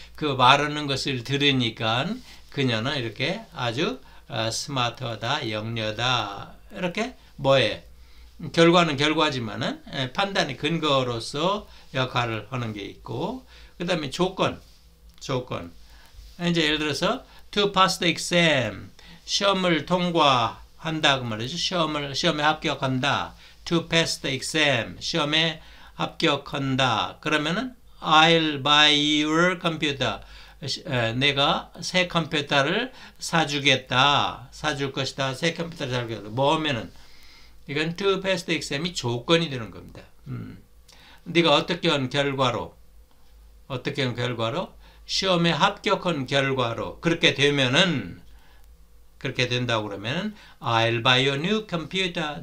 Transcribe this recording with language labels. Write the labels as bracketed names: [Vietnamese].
[Korean] 그 말하는 것을 들으니까 그녀는 이렇게 아주 스마트하다, 영리하다. 이렇게 뭐예요? 결과는 결과지만은 판단의 근거로서 역할을 하는 게 있고, 그 다음에 조건. 조건. 이제 예를 들어서 [English] to pass the exam. [Korean] 시험을 통과한다. 그 말이죠. 시험에 합격한다. [English] To pass the exam, 시험에 합격한다. [Korean] 그러면은 [English] I'll buy your computer. [Korean] 내가 새 컴퓨터를 사주겠다. 사줄 것이다. 새 컴퓨터를 사주겠다. 뭐면은 이건 [English] to pass the exam [Korean] 이 조건이 되는 겁니다. 네가 어떻게 한 결과로, 어떻게 한 결과로 시험에 합격한 결과로 그렇게 되면은, 그렇게 된다고 그러면 [English] I'll buy your new computer.